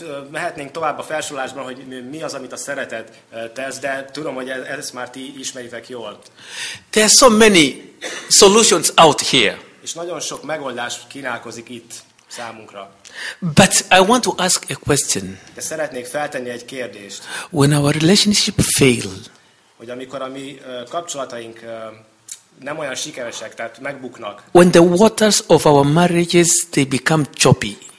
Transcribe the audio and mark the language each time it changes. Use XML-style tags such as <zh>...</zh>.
<hu>Mehetnénk tovább a felsorolásban, hogy mi az, amit a szeretet tesz, de tudom, hogy ezt már ti ismeritek jól.</hu> <en>There are so many solutions out here.</en> <hu>És nagyon sok megoldás kínálkozik itt számunkra.</hu> <en>But I want to ask a question.</en> <hu>De szeretnék feltenni egy kérdést.</hu> <en>When our relationship fail,</en> <hu>hogy amikor a mi kapcsolataink nem olyan sikeresek, tehát megbuknak.</hu> <en>When the waters of our marriages they become choppy.</en>